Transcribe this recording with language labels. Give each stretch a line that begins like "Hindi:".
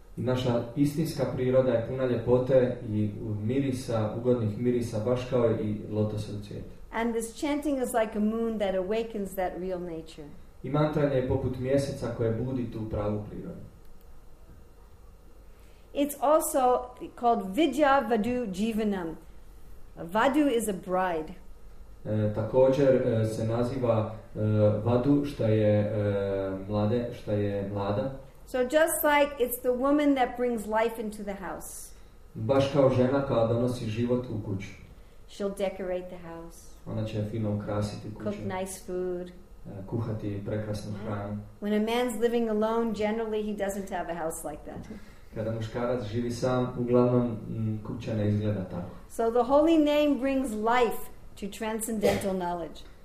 Croatian: I naša istinska priroda je puna ljepote i mirisa, ugodnih mirisa, baš kao i lotosov cvijet.
English: And this chanting is like a moon that awakens that real nature.
Croatian: I mantranje je poput mjeseca koje budi tu pravu prirodu.
English: It's also called Vidya Vadu Jivanam. Vadu is a bride.
Croatian: Također se naziva Vadu, što je mlade, što je mlada.
English: So just like it's the woman that brings life into the house.
Croatian: Baš kao žena koja donosi život u kuću.
English: She'll decorate the house.
Croatian: Ona će fino ukrasiti kuću.
English: Cook nice food.
Croatian: Kuhati prekrasnu hranu.
English: When a man's living alone, generally he doesn't have a house like that.
Croatian: Kada muškarac živi sam, uglavnom kuća ne izgleda tako.
English: So the holy name brings life to transcendental knowledge.